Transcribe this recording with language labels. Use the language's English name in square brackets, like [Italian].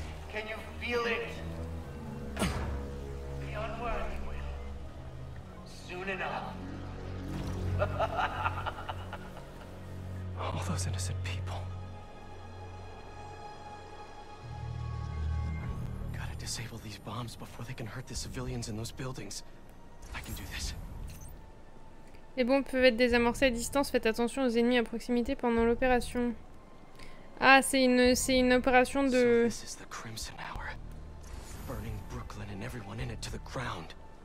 [English] Can you feel it? The unworthy will. Soon enough. All those innocent people. Gotta disable these bombs before they can hurt the civilians in those buildings. I can do this. [French] Les bombes peuvent être désamorcées à distance, faites attention aux ennemis à proximité pendant l'opération. Ah, c'est une opération de... [English] So this is the Crimson Hour. Burning Brooklyn and everyone in it to the ground.